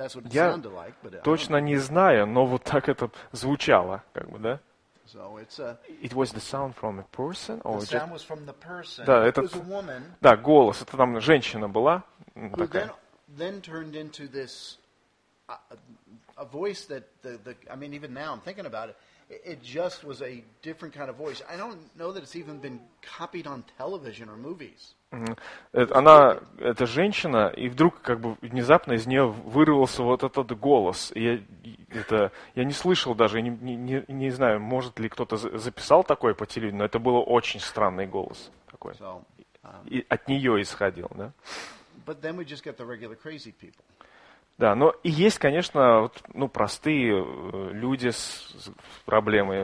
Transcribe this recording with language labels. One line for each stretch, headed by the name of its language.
Russian: Я точно не знаю, но вот так это звучало, как бы, да?
English: It was the sound from a person, or the sound was from the person.
Russian: Да, этот, да, голос. Это там женщина была такая.
English: Then turned into this a voice that the I mean, even now I'm thinking about it. It just was a different kind of voice. I don't know that it's even been copied on television or movies.
Russian: Она, эта женщина, и вдруг как бы внезапно из нее вырвался вот этот голос. Я не слышал даже, не знаю, может ли кто-то записал такое по телевидению, но это был очень странный голос такой.
English: So,
Russian: и от нее исходил, да?
English: But then we just get the regular crazy people.
Russian: Да, но и есть, конечно, вот, ну, простые люди с проблемой.